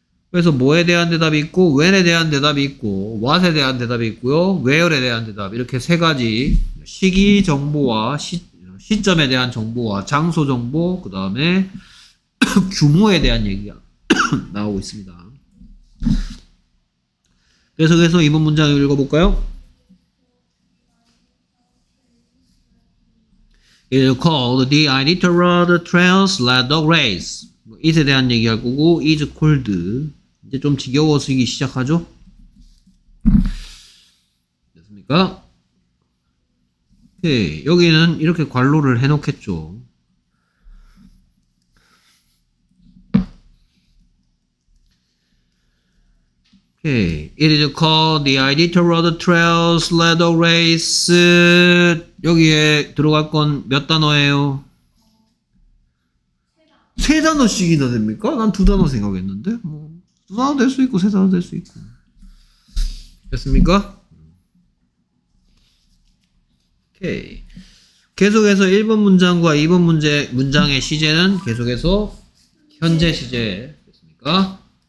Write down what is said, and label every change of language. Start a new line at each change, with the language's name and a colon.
Korean: 그래서 뭐에 대한 대답이 있고, when에 대한 대답이 있고, what에 대한 대답이 있고요, where에 대한 대답, 이렇게 세 가지 시기 정보와 시점에 대한 정보와 장소 정보, 그 다음에 규모에 대한 얘기가 나오고 있습니다. 계속해서 이번 문장을 읽어볼까요?
English: It is called the Iditarod Trail Sled Dog Race.
Korean: It에 대한 얘기할 거고,
English: is called.
Korean: 이제 좀 지겨워지기 시작하죠? 됐습니까? 네, 여기는 이렇게 관로를 해놓겠죠. 오케이.
English: It is called the Iditarod Trail Sled Dog Race.
Korean: 여기에 들어갈 건 몇 단어예요? 세 단어. 세 단어씩이나 됩니까? 난 두 단어 생각했는데. 뭐, 두 단어 될 수 있고 세 단어 될 수 있고. 됐습니까? 오케이. 계속해서 1번 문장과 2번 문장의 시제는 계속해서 현재 시제 됐습니까?